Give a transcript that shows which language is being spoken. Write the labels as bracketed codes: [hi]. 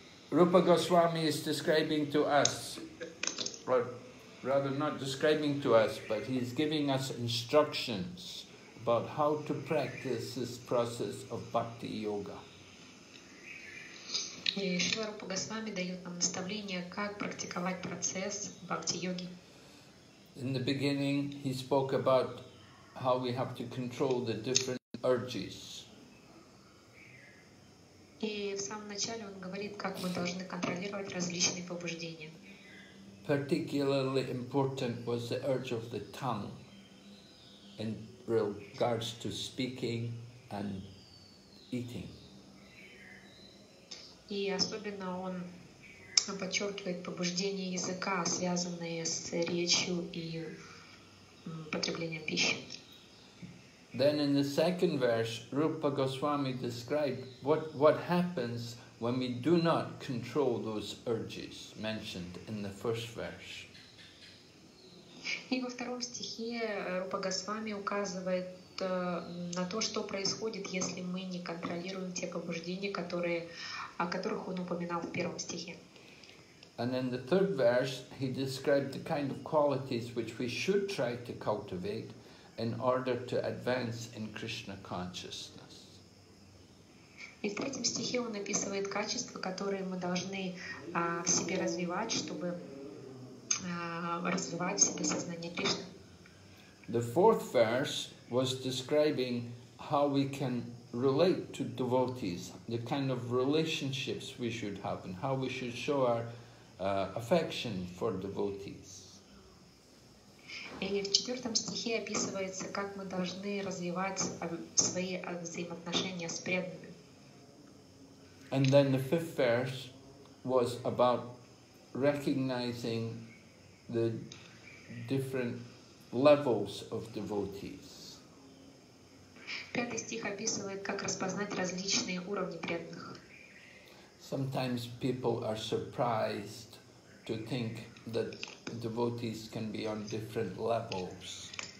[en] Rupa Goswami is describing to us, or rather not describing to us, but he's giving us instructions about how to practice this process of bhakti yoga. [ru] Шрила Рупа Госвами дает нам наставление, как практиковать процесс бхакти йоги. [en] In the beginning, he spoke about how we have to control the different urges. [ru] И в самом начале он говорит, как мы должны контролировать различные побуждения. [en] Particularly important was the urge of the tongue in regards to speaking and eating. [ru] И особенно он подчеркивает побуждения языка, связанные с речью и потреблением пищи. [en] Then in the second verse, Rupa Goswami described what happens when we do not control those urges mentioned in the first verse. [ru] И во втором стихе Рупа Госвами указывает на то, что происходит, если мы не контролируем те побуждения, которые, о которых он упоминал в первом стихе. [en] And in the third verse, he described the kind of qualities which we should try to cultivate in order to advance in Krishna consciousness. [ru] И в третьем стихе он описывает качества, которые мы должны в себе развивать, чтобы развивать в себе сознание Кришны. [en] The fourth verse was describing how we can relate to devotees, the kind of relationships we should have, and how we should show our affection for devotees. [ru] И в четвертом стихе описывается, как мы должны развивать свои взаимоотношения с преданными. [en] And then the fifth verse was about recognizing the different levels of devotees. [ru] Пятый стих описывает, как распознать различные уровни преданных. [en] Sometimes people are surprised to think that devotees can be on different levels.